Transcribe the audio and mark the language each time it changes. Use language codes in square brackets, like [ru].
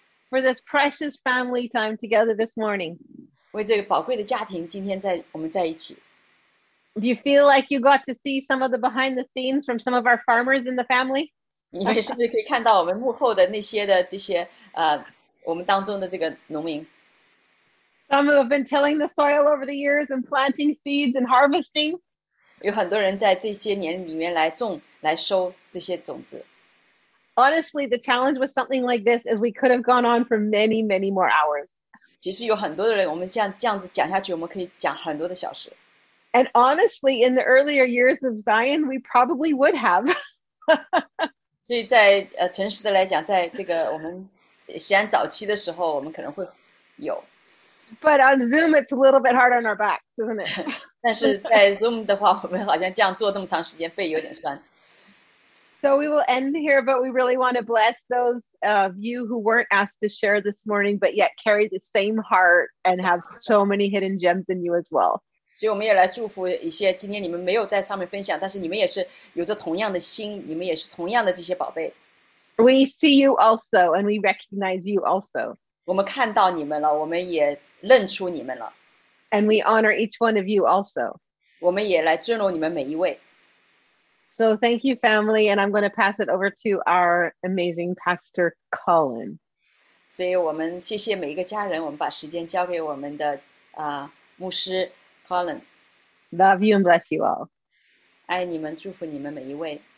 [en] For this precious family time together this morning. [zh] 为这个宝贵的家庭今天在我们在一起。 [en] Do you feel like you got to see some of the behind the scenes from some of our farmers in the family? [zh] 你们是不是可以看到我们幕后的那些的这些我们当中的这个农民。 [en] Some who have been tilling the soil over the years and planting seeds and harvesting. [zh] 有很多人在这些年里面来种来收这些种子。 [en] Honestly, the challenge with something like this is we could have gone on for many, many more hours. [zh] 其实有很多的人，我们像这样子讲下去，我们可以讲很多的小时。 [en] And honestly, in the earlier years of Zion, we probably would have. [zh] 所以在诚实的来讲，在这个我们西安早期的时候，我们可能会有。 [en] But on Zoom, it's a little bit hard on our backs, isn't it? [zh] 但是在 Zoom 的话，我们好像这样做那么长时间，背有点酸。 [en] So we will end here, but we really want to bless those of you who weren't asked to share this morning, but yet carry the same heart and have so many hidden gems in you as well. [zh] 所以我们也来祝福一些今天你们没有在上面分享，但是你们也是有着同样的心，你们也是同样的这些宝贝。 [en] We see you also, and we recognize you also. [zh] 我们看到你们了，我们也认出你们了。 [en] And we honor each one of you also. [zh] 我们也来尊荣你们每一位。 [en] So thank you, family, and I'm going to pass it over to our amazing Pastor Colin. [zh] 所以我们谢谢每一个家人，我们把时间交给我们的牧师 Colin. [en] Love you and bless you all. [zh] 爱你们，祝福你们每一位。